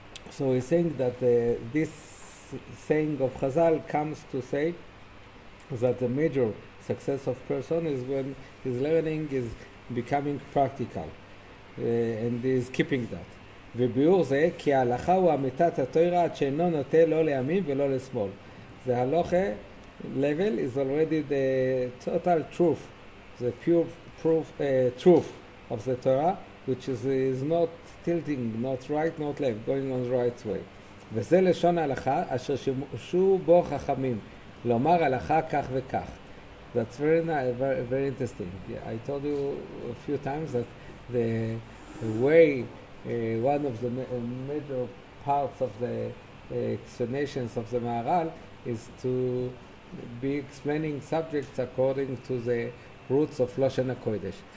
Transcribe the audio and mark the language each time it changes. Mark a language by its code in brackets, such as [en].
[en] So we think that this saying of Chazal comes to say that the major success of person is when his learning is becoming practical and is keeping that. [he] וביור זה כי ההלכה הוא אמיתת התורה עד שאינו נוטה לא לימין ולא לשמאל. [en] The הלכה level is already the total truth, the pure proof, truth of the Torah, which is not tilting, not right, not left, going on the right way. [he] וזה לשון ההלכה אשר שימשו בו חכמים, לומר הלכה כך וכך. [en] That's very, very, very interesting. I told you a few times that the way one of the major parts of the explanations of the Maharal is to be explaining subjects according to the roots of Lashon HaKodesh.